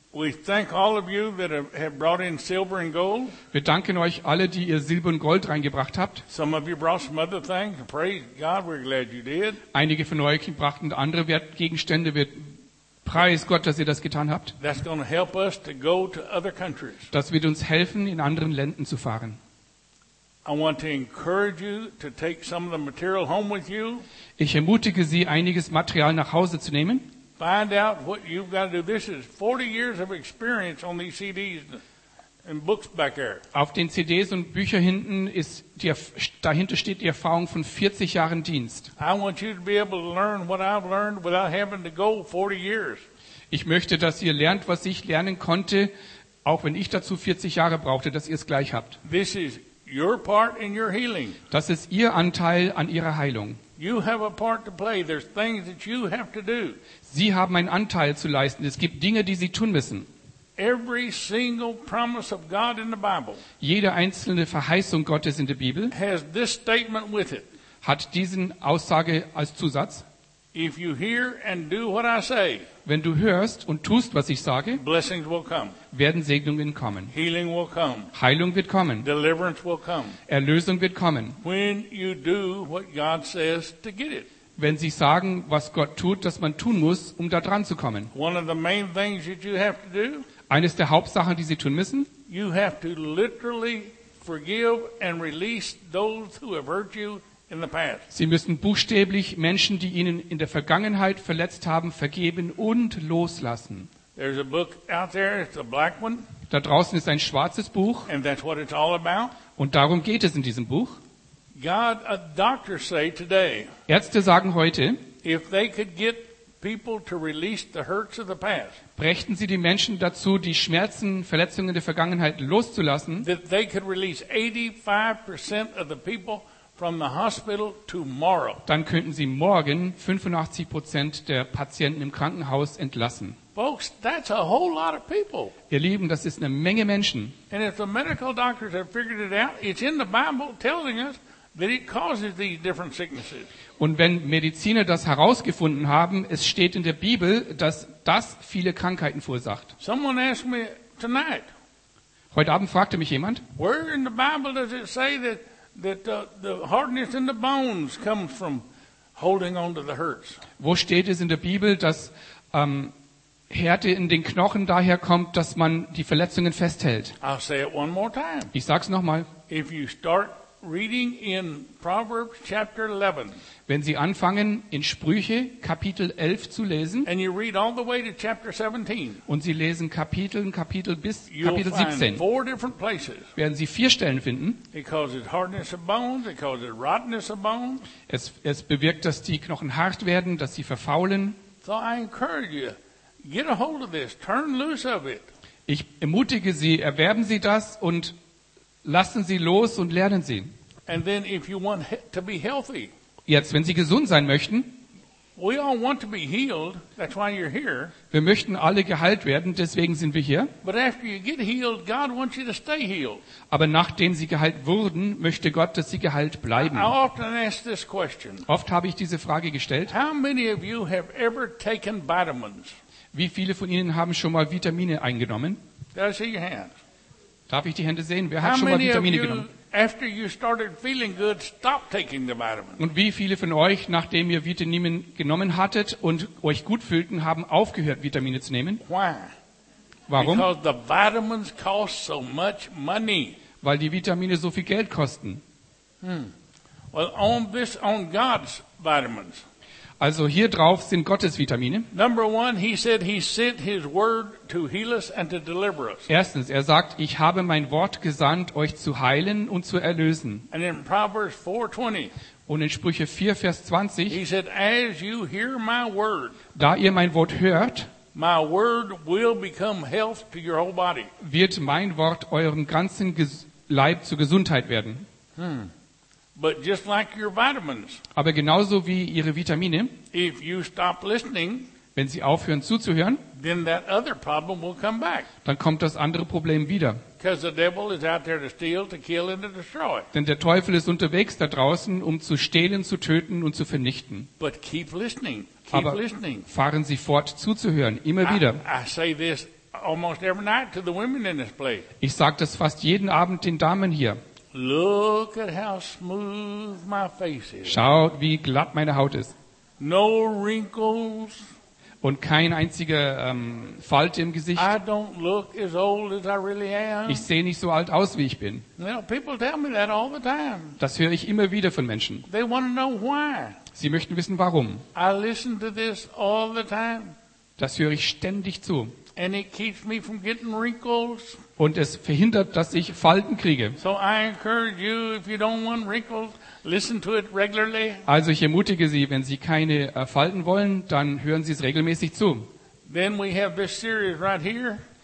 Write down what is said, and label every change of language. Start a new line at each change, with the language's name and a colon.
English: We thank all of you that have brought in silver and gold.
German: Wir danken euch alle, die ihr Silber und Gold reingebracht habt.
English: Some of you brought some other things. Praise God, we're glad you did.
German: Einige von euch brachten andere Wertgegenstände. Wir preis Gott, dass ihr das getan habt.
English: That's going to help us to go to other countries.
German: Das wird uns helfen, in anderen Ländern zu fahren.
English: I want to encourage you to take some of the material home with you.
German: Ich ermutige Sie, einiges Material nach Hause zu nehmen.
English: Find out what you've got to do. This is 40 years of experience on these CDs and books back there.
German: Auf den CDs und Büchern hinten ist die, dahinter steht die Erfahrung von 40 Jahren Dienst.
English: I want you to be able to learn what I've learned without having to go 40 years.
German: Ich möchte, dass ihr lernt, was ich lernen konnte, auch wenn ich dazu 40 Jahre brauchte, dass ihr es gleich habt.
English: This is your part in your healing.
German: Das ist ihr Anteil an ihrer Heilung.
English: You have a part to play. There's things that you have to do.
German: Sie haben einen Anteil zu leisten. Es gibt Dinge, die Sie tun müssen.
English: Every single promise of God in the Bible.
German: Jede einzelne Verheißung Gottes in der Bibel
English: has this statement with it.
German: Hat diesen Aussage als Zusatz.
English: If you hear and do what I say,
German: wenn du hörst und tust, was ich sage,
English: blessings will come.
German: Werden Segnungen kommen.
English: Healing will come.
German: Heilung wird kommen.
English: Deliverance will come.
German: Erlösung wird kommen.
English: When you do what God says to get it.
German: Wenn sie sagen, was Gott tut, dass man tun muss, um da dran zu kommen.
English: One of the main things that you have to do,
German: eines der Hauptsachen, die sie tun müssen,
English: you have to literally forgive and release those who have hurt you.
German: Sie müssen buchstäblich Menschen, die ihnen in der Vergangenheit verletzt haben, vergeben und loslassen.
English: There's a book out there, it's a black one.
German: Da draußen ist ein schwarzes Buch.
English: And that's what it's all about.
German: Und darum geht es in diesem Buch.
English: God, a doctor say today,
German: Ärzte sagen heute,
English: if they could get people to release the hurts of the past,
German: brächten sie die Menschen dazu, die Schmerzen, Verletzungen der Vergangenheit loszulassen,
English: that they could release 85% of the people from the hospital tomorrow.
German: Dann könnten sie morgen 85% der Patienten im Krankenhaus entlassen.
English: Folks, that's a whole lot of people.
German: Ihr Lieben, das ist eine Menge Menschen.
English: And if the medical doctors have figured it out, it's in the Bible telling us that it causes these different sicknesses.
German: Und wenn Mediziner das herausgefunden haben, es steht in der Bibel, dass das viele Krankheiten verursacht.
English: Someone asked me tonight.
German: Heute Abend fragte mich jemand.
English: Where in the Bible does it say that the hardness in the bones comes from holding on to the hurts?
German: Wo steht es in der Bibel, dass Härte in den Knochen daher kommt, dass man die Verletzungen festhält?
English: I'll say it one more time.
German: Ich sag's nochmal.
English: If you start reading in Proverbs chapter 11,
German: wenn Sie anfangen in Sprüche Kapitel 11 zu lesen,
English: and you read all the way to chapter 17,
German: und Sie lesen Kapitel bis Kapitel 17,
English: four different places,
German: werden Sie vier Stellen finden.
English: It causes hardness of bones, it causes rottenness of bones.
German: Es bewirkt, dass die Knochen hart werden, dass sie verfaulen.
English: So I encourage you, get a hold of this, turn loose of it.
German: Ich ermutige Sie, erwerben Sie das und lassen Sie los und lernen Sie.
English: And then if you want to be healthy,
German: jetzt, wenn Sie gesund sein möchten,
English: we all want to be healed, that's why you're here.
German: Wir möchten alle geheilt werden, deswegen sind wir hier.
English: But after you get healed, God wants you to stay healed.
German: Aber nachdem Sie geheilt wurden, möchte Gott, dass Sie geheilt bleiben.
English: I often ask this question.
German: Oft habe ich diese Frage gestellt.
English: How many of you have ever taken vitamins?
German: Wie viele von Ihnen haben schon mal Vitamine eingenommen?
English: Did I see your hand?
German: Darf ich die Hände sehen? Wer hat schon mal Vitamine genommen?
English: After you started feeling good, stop taking the vitamins.
German: Und wie viele von euch, nachdem ihr Vitamine genommen hattet und euch gut fühlten, haben aufgehört, Vitamine zu nehmen?
English: Why?
German: Warum?
English: Because the vitamins cost so much money.
German: Weil die Vitamine so viel Geld kosten.
English: Well, on God's vitamins.
German: Also hier drauf sind Gottes Vitamine.
English: Number one, he said he sent his word to heal us and to deliver us.
German: Erstens, er sagt, ich habe mein Wort gesandt, euch zu heilen und zu erlösen.
English: And in Proverbs 4:20,
German: und in Sprüche 4, Vers 20,
English: he said, as you hear my word,
German: da ihr mein Wort hört,
English: my word will become health to your whole body.
German: Wird mein Wort eurem ganzen Leib zur Gesundheit werden.
English: But just like your vitamins.
German: Aber genauso wie ihre Vitamine.
English: If you stop listening,
German: wenn sie aufhören zuzuhören,
English: then that other problem will come back.
German: Dann kommt das andere Problem wieder.
English: Because the devil is out there to steal, to kill and to destroy.
German: Denn der Teufel ist unterwegs da draußen, um zu stehlen, zu töten und zu vernichten.
English: But keep listening. Keep listening.
German: Fahren Sie fort zuzuhören, immer wieder.
English: I say this almost every night to the women in this place.
German: Ich sage das fast jeden Abend den Damen hier.
English: Look at how smooth my face is.
German: Schaut, wie glatt meine Haut ist.
English: No wrinkles.
German: Und kein einziger Falte im Gesicht.
English: I don't look as old as I really am.
German: Ich sehe nicht so alt aus, wie ich bin.
English: You know, people tell me that all the time.
German: Das höre ich immer wieder von Menschen.
English: They want to know why.
German: Sie möchten wissen, warum.
English: I listen to this all the time.
German: Das höre ich ständig zu.
English: And it keeps me from getting wrinkles.
German: Und es verhindert, dass ich Falten kriege.
English: So I encourage you, if you don't want wrinkles, listen to it regularly.
German: Also ich ermutige Sie, wenn Sie keine Falten wollen, dann hören Sie es regelmäßig zu.
English: Then we have this series right here.